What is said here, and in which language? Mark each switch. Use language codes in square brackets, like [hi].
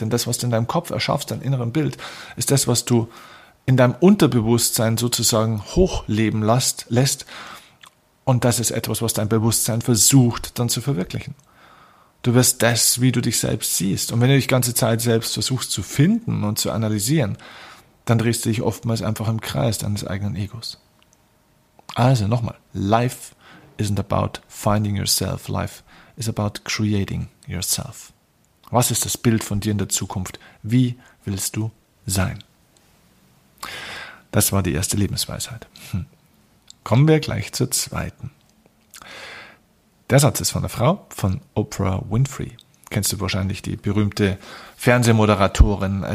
[de] Denn das, was du in deinem Kopf erschaffst, dein inneren Bild, ist das, was du in deinem Unterbewusstsein sozusagen hochleben lässt. Und das ist etwas, was dein Bewusstsein versucht, dann zu verwirklichen. Du wirst das, wie du dich selbst siehst. Und wenn du dich ganze Zeit selbst versuchst zu finden und zu analysieren, dann drehst du dich oftmals einfach im Kreis deines eigenen Egos. Also nochmal, [en] live isn't about finding yourself. Life is about creating yourself. [de] Was ist das Bild von dir in der Zukunft? Wie willst du sein? Das war die erste Lebensweisheit. Kommen wir gleich zur zweiten. Der Satz ist von der Frau von Oprah Winfrey. Kennst du wahrscheinlich, die berühmte Fernsehmoderatorin.